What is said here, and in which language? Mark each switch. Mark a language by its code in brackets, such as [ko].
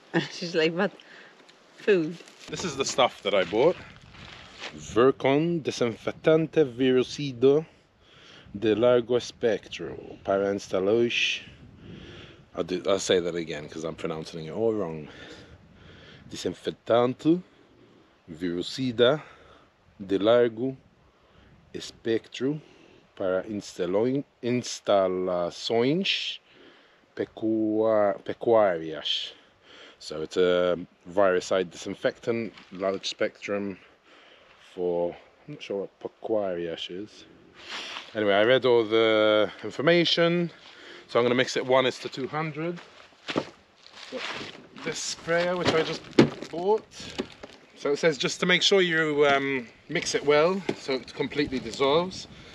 [en] She's like, what? Food. This is the stuff that I bought. Vercon Desinfectante Virucido de Largo Espectro para instalar. I'll say that again because I'm pronouncing it all wrong. [pt] Desinfectante Virucida de Largo Espectro para instalações pecuárias. [en] So it's a viricide disinfectant, large spectrum for, I'm not sure what pecuarias is. Anyway, I read all the information, so I'm gonna mix it 1:200. This sprayer, which I just bought. So it says just to make sure you mix it well, so it completely dissolves.